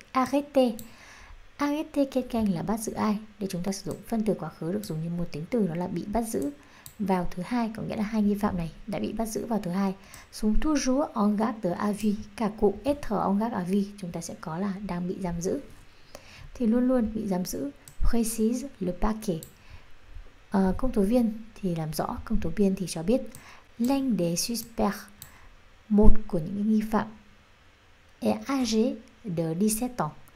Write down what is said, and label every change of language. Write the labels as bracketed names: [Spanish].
[French] Arrêter. Arrêter quelqu'un [Vietnamese] là bắt giữ ai. Để chúng ta sử dụng phân từ quá khứ được dùng như một tính từ, đó là bị bắt giữ vào thứ hai, có nghĩa là hai nghi phạm này đã bị bắt giữ vào thứ hai. [French] Sont toujours en garde à vue. [Vietnamese] Cả cụm [French] être en garde à vue [Vietnamese] chúng ta sẽ có là đang bị giam giữ, thì luôn luôn bị giam giữ. [French] Précise le parquet. [Vietnamese] Công tố viên thì làm rõ, công tố viên thì cho biết [French] l'un des suspects, [Vietnamese] một của những nghi phạm, [French] est âgé de 17 ans.